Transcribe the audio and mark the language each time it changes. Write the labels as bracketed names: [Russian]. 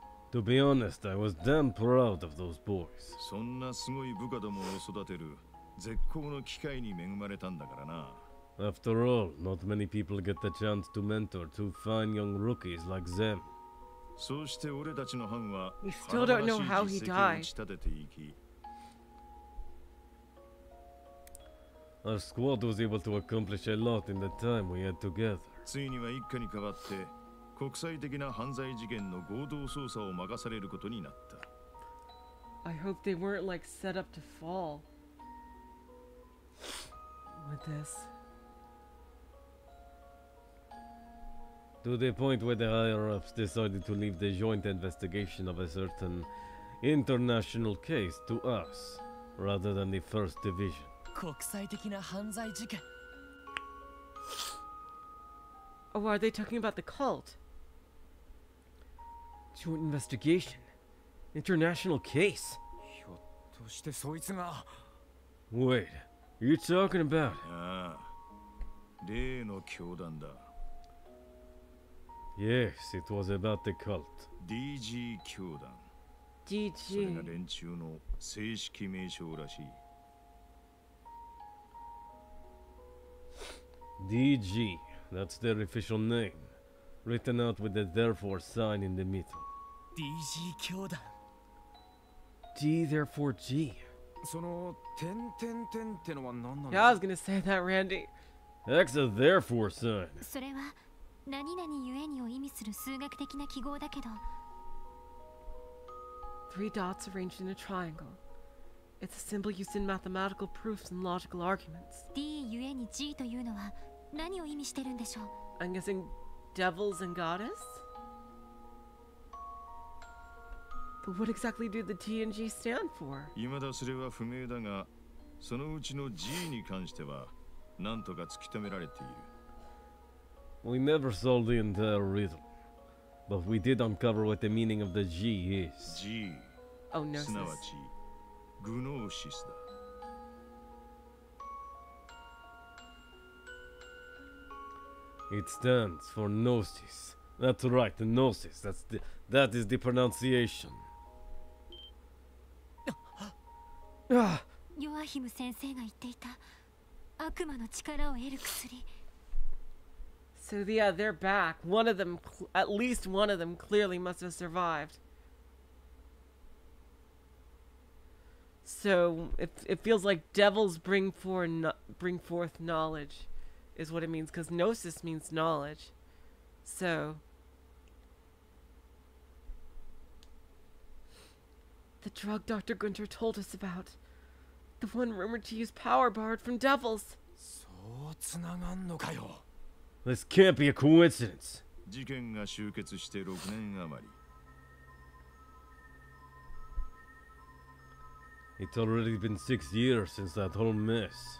[English] To be honest, I was damn proud of those boys. [Japanese] そんなすごい部下どもを育てる絶好の機会に恵まれたんだからな。 [English] After all, not many people get the chance to mentor two fine young rookies like them. [Japanese] そして俺たちの班は、 [English] We still don't know how he died. Our squad was able to accomplish a lot in the time we had together. [Japanese] ついには一家に代わって国際的な犯罪事件の合同捜査を任されることになった。 [English] I hope they weren't like set up to fall with this. To the point where the higher-ups decided to leave the joint investigation of a certain international case to us, rather than the first division. [Japanese] 国際的な犯罪事件。 [English] Oh, are they talking about the cult? Joint investigation? International case? [Japanese] ひょっとしてそいつが… [English] Wait, you talking about? [Japanese] ああ、例の教団だ。 [English] Yes, it was about the cult. [Japanese] DG 教団。 [English] DG? [Japanese] それが連中の正式名称らしい。 [English] DG, that's their official name. Written out with the therefore sign in the middle. [Japanese] DG 教団 [English] D therefore G [Japanese] その…点点点ってのは何なの [English] Yeah, I was gonna say that, Randy That's a therefore sign [Japanese] それは何々ゆえにを意味する数学的な記号だけど [English] Three dots arranged in a triangle It's a symbol used in mathematical proofs and logical arguments [Japanese] D ゆえに G というのは何を意味してるんでしょう [English] I'm guessing devils and goddess? But what exactly do the T and G stand for? [Japanese] 未だそれは不明だが、そのうちの G に関しては、なんとか突き止められている。 [English] We never solved the entire riddle, but we did uncover what the meaning of the G is. G. Oh, Gnosis. [Japanese] すなわち、グノーシスだ。 [English] It stands for Gnosis. That's right, Gnosis. That is the pronunciation. [Japanese] ヨアヒム先生が言っていた悪魔の力を得る薬。 [English] So yeah, they're back. One of them, at least one of them, clearly must have survived. So it feels like devils bring forth knowledge, is what it means. Because gnosis means knowledge. So. The drug Dr. Gunter told us about. The one rumored to use power borrowed from devils. [Japanese] そうつながんのかよ。 [English] This can't be a coincidence. [Japanese] 事件が終結して6年余り。 [English] It's already been 6 years since that whole mess.